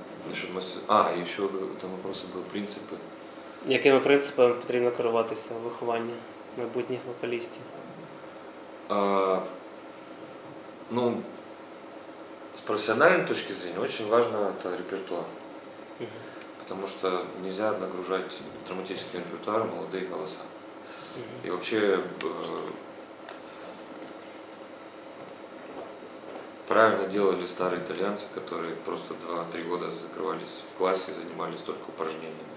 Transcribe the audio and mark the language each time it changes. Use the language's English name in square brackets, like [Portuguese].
[Russian] Еще там вопросы были принципы. [Ukrainian] Якими принципами потрібно керуватися в вихованні майбутніх вокалістів? [Russian] Ну, с профессиональной точки зрения очень важно – это репертуар. Потому что нельзя нагружать драматическим репертуаром молодые голоса. И вообще правильно делали старые итальянцы, которые просто 2-3 года закрывались в классе и занимались только упражнениями.